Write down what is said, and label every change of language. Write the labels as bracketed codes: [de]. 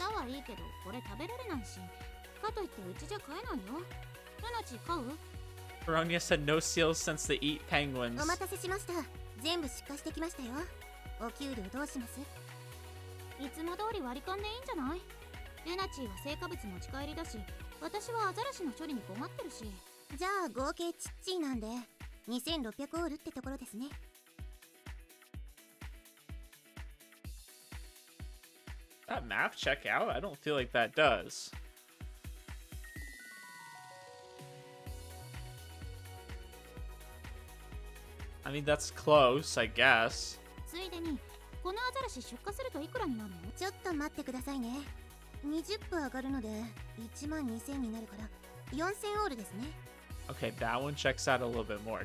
[ja] 舌はいいけど、これ食べられないし。かといってうちじゃ買えないよ。ルナチ買う? [en] Peronia said no seals since they eat penguins. [ja] お待たせしました。全部出荷してきましたよ。お給料どうします？いつも通り割り勘でいいんじゃない？ルナチーは成果物持ち帰りだし、私はアザラシの処理に困ってるし。じゃあ合計チッチーなんで2600オールってところですね。 [en] That math check out? I don't feel like that does. I mean, that's close, I guess. [ja] ついでに、このアザラシ出荷するといくらになるの？ちょっと待ってくださいね。20分上がるので、12000になるから、4000オールですね。 [en] Okay, that one checks out a little bit more.